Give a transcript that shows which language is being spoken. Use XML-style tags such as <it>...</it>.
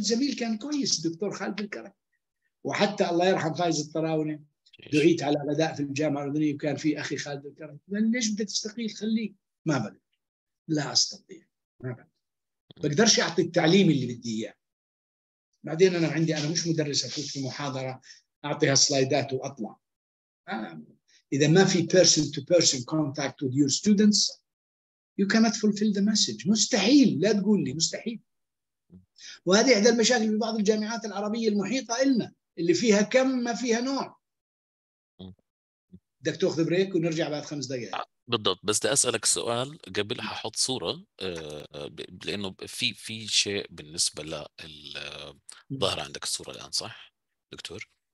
<ar>زميل كان كويس دكتور خالد الكرك وحتى الله يرحم فايز الطراوني دعيت على غداء في الجامعة الأردنية وكان في أخي خالد الكرك قال ليش بدك تستقيل خليك ما بقدر لا أستطيع ما بقدرش أعطي التعليم اللي بدي إياه. بعدين أنا عندي أنا مش مدرس أفوت في محاضرة أعطيها سلايدات وأطلع. إذا ما في</ar> <en>person to person contact with your students you cannot fulfill the message.</en> <ar>مستحيل لا تقول لي مستحيل. وهذه احدى المشاكل في بعض الجامعات العربية المحيطة لنا اللي فيها كم ما فيها نوع. بدك تاخذ بريك ونرجع بعد خمس دقائق بالضبط. بس بدي اسالك سؤال قبل ححط صورة لانه في شيء بالنسبة للظهر عندك الصورة الان صح دكتور؟</ar>